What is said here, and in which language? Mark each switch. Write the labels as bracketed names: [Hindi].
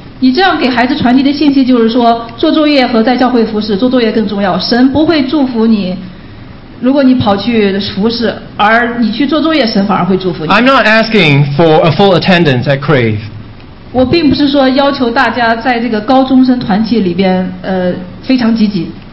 [Chinese] 你这样给孩子传递的信息就是说，做作业和在教会服事，做作业更重要。神不会祝福你，如果你跑去服事，而你去做作业，神反而会祝福你。 [English] I'm not asking for a full attendance at Crave. [Chinese] 我并不是说要求大家在这个高中生团契里边，非常积极。